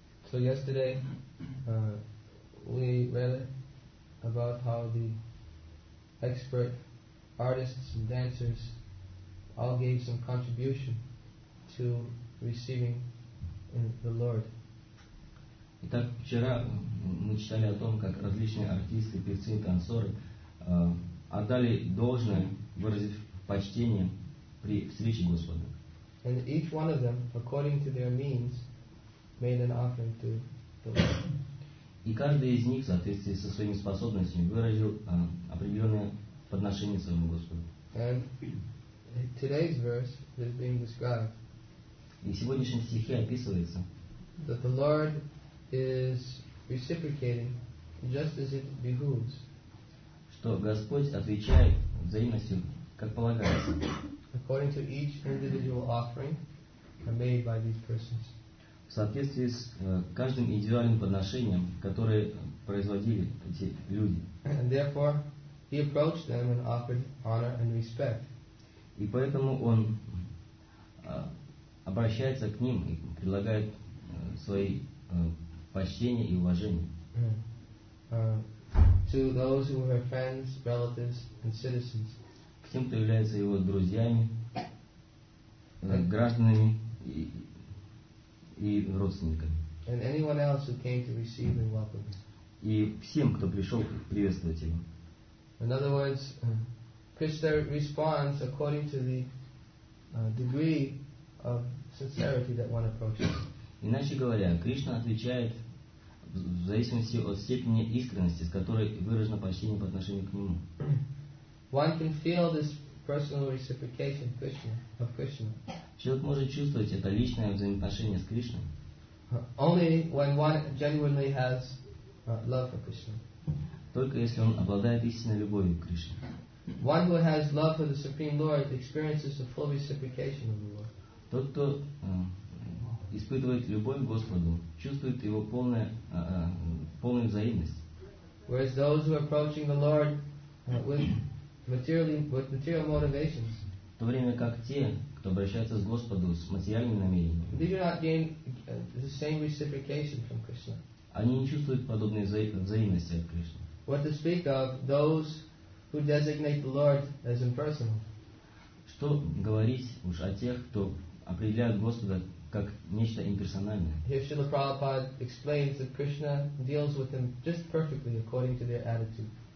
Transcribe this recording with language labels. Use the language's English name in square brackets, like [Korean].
[English] So yesterday we read about how the expert artists and dancers all gave some contribution to receiving in the Lord. [Russian] Итак, вчера мы читали о том, как различные артисты, певцы, танцоры отдали должное, выразив почтение при встрече Господа. [English] And each one of them, according to their means, made an offering to the Lord. [Russian] И каждый из них, в соответствии со своими способностями, выразил определенное подношение своему Господу. [English] And today's verse is being described. [Russian] И в сегодняшнем стихе описывается, [English] that the Lord is reciprocating just as it behooves. [Russian] Что Господь отвечает взаимностью, как полагается. [English] According to each individual offering made by these persons. [Russian] В соответствии с каждым индивидуальным подношением, которое производили эти люди. [English] And therefore, he approached them and offered honor and respect. [Russian] И поэтому он обращается к ним и предлагает свои почтение и уважение. [English] To those who are friends, relatives, and citizens. [Russian] К тем, кто является его друзьями, гражданами и родственниками. [English] And anyone else who came to receive and welcome him. [Russian] И всем, кто пришел приветствовать его. [English] In other words, Krishna responds according to the degree of sincerity that one approaches. [Russian] Иначе говоря, Кришна отвечает в зависимости от степени искренности, с которой выражено почтение по отношению к нему. [English] One can feel this personal reciprocation of Krishna. [Russian] Человек может чувствовать это личное взаимоотношение с Кришной. [English] Only when one genuinely has love for Krishna. [Russian] Только если он обладает истинной любовью к Кришне. [English] One who has love for the Supreme Lord experiences the full reciprocation of the Lord. [Russian] Тот, кто испытывает любовь к Господу, чувствует его полную взаимность. [English] Whereas those who are approaching the Lord with materially with material motivations, [Russian] в то время как те, кто обращается к Господу с материальными намерениями, [English] they do not gain the same reciprocation from Krishna. [Russian] Они не чувствуют подобной взаимности от Кришны. [English] What to speak of those who designate the Lord as impersonal? [Russian] Что говорить уж о тех, кто определяет Господа как нечто имперсональное? [English] Here Srila Prabhupada explains that Krishna deals with them just perfectly according to their attitude.